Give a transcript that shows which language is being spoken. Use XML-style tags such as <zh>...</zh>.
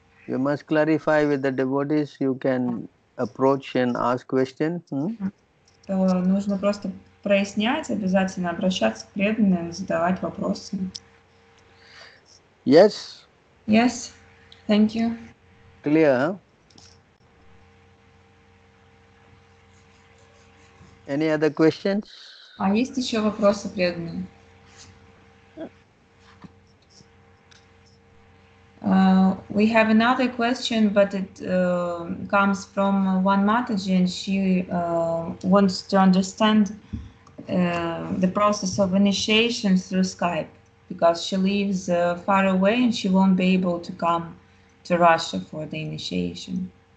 <en>You must clarify with the devotees, you can approach and ask questions.</en> <ru>То нужно просто прояснять, обязательно обращаться к преданным, задавать вопросы.</ru> <en>Yes. Yes, thank you. Clear, huh? Any other questions?</en> <ru>А есть еще вопросы преданные?</ru> <en>We have another question, but it comes from one Mataji, and she wants to understand the process of initiation through Skype. Because she lives far away and she won't be able to come to Russia for the initiation.</en>